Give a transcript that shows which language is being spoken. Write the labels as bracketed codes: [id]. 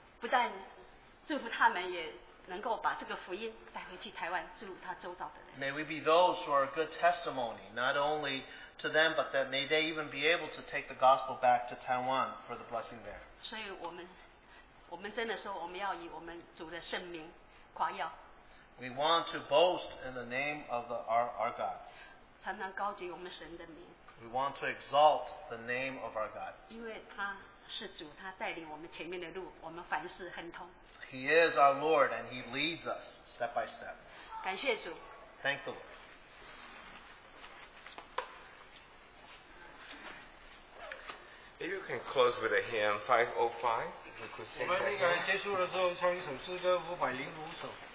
[zh] 求神帮助我们为他名的缘故，真的能够成为好的见证，能够不但祝福他们也。 [en] May we be those who are a good testimony, not only to them, but that may they even be able to take the gospel back to Taiwan for the blessing there. [zh] 所以我们真的说我们要以我们主的圣名夸耀。 [en] We want to boast in the name of our God. [zh] 才能高举我们神的名。 [en] We want to exalt the name of our God. [zh] 因为他是主，他带领我们前面的路，我们凡事亨通。 [en] He is our Lord, and He leads us step by step. [zh] 感谢主。 [en] Thank the Lord. If you can close with a hymn, 505, you can sing. [zh] 我们那个结束的时候唱一首诗歌，505首。